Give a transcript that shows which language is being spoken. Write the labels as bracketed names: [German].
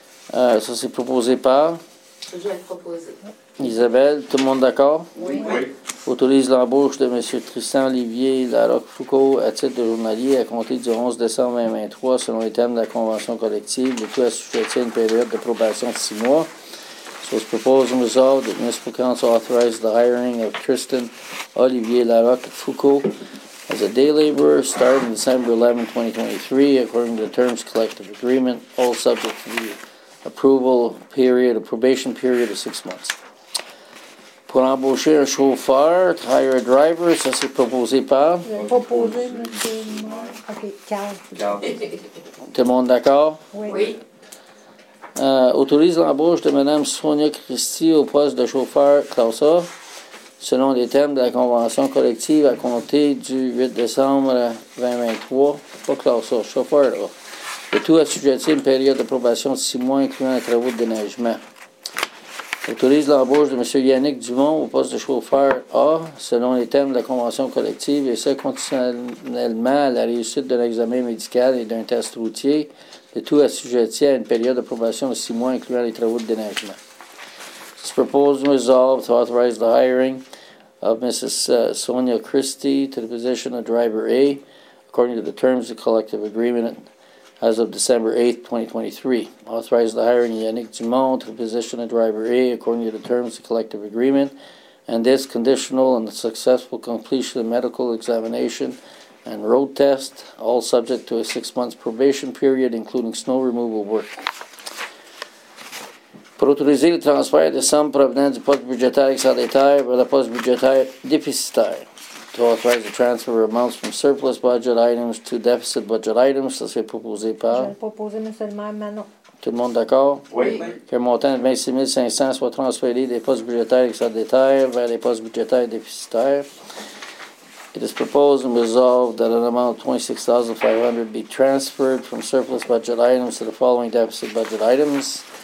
[French] Ça, c'est proposé par. Je vais le proposer. Isabelle, tout le monde d'accord? Oui. Autorise l'embauche de M. Tristan Olivier Larocque-Foucault à titre de journalier à compter du 11 décembre 2023 selon les termes de la convention collective, le tout assujetti à une période de probation de 6 mois. [English] So, the proposal resolved that Municipal Council authorized the hiring of Tristan Olivier Larocque-Foucault as a day laborer starting December 11, 2023, according to the terms collective agreement, all subject to the approval period, a probation period of 6 months. [French] Pour embaucher un chauffeur, [English] to hire a driver, [French] ça c'est proposé par? Proposé, monsieur. OK, Carl. Tout le monde d'accord? Oui. Autorise l'embauche de Mme Sonia Christie au poste de chauffeur classe A, selon les termes de la convention collective à compter du 8 décembre 2023. Pas classe A, chauffeur A. Le tout assujetti à une période de probation de 6 mois, incluant les travaux de déneigement. Autorise l'embauche de M. Yannick Dumont au poste de chauffeur A, selon les termes de la convention collective, et ce, conditionnellement à la réussite d'un examen médical et d'un test routier. Le tout assujetti à une période de probation de 6 mois, incluant les travaux de déneigement. [English] This proposal resolved to authorize the hiring of Mrs. Sonia Christie to the position of driver A, according to the terms of the collective agreement. As of December 8, 2023, authorized the hiring of Yannick Dumont to the position of driver A according to the terms of the collective agreement, and this conditional on the successful completion of medical examination and road test, all subject to a 6 months probation period, including snow removal work. [French] Pour autoriser le transfert de sommes provenant du poste budgétaire excédentaire vers le poste budgétaire déficitaire. [English] To authorize the transfer of amounts from surplus budget items to deficit budget items, [French] ça c'est proposé par. Je vais proposer, monsieur le maire, Manon. Tout le monde d'accord? Oui. Que le montant de 26 500 soit transféré des postes budgétaires excédentaires vers les postes budgétaires déficitaires. [English] It is proposed and resolved that an amount of $26,500 be transferred from surplus budget items to the following deficit budget items.